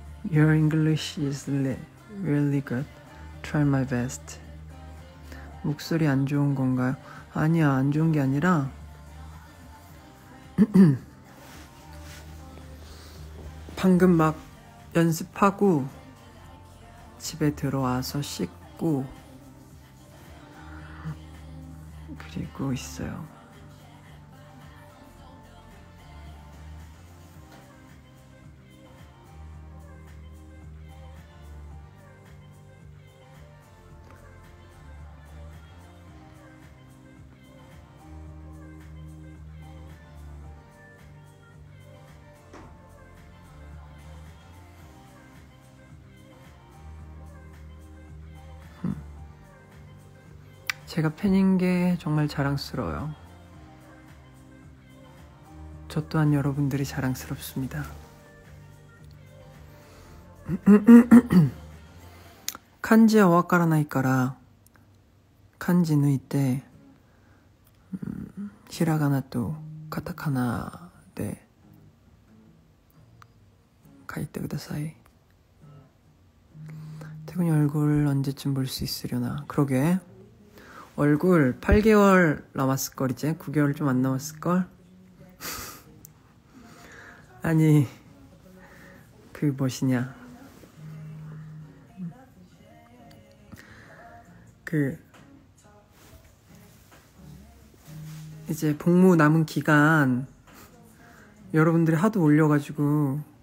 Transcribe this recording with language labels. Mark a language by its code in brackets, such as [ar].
[en] Your English is really good. Try my best. [ko] 목소리 안 좋은 건가요? 아니야, 안 좋은 게 아니라 방금 막 연습하고 집에 들어와서 씻고 그리고 있어요. 제가 팬인 게 정말 자랑스러워요. 저 또한 여러분들이 자랑스럽습니다. [ja] 漢字가 와からないから 漢字抜いて ひらがなと カタカナで 書いてください. [ko] 태근이 얼굴 언제쯤 볼 수 있으려나. 그러게. 얼굴 8개월 남았을걸 이제? 9개월 좀 안 남았을걸? 아니 그 뭐시냐 그 이제 복무 남은 기간 여러분들이 하도 올려가지고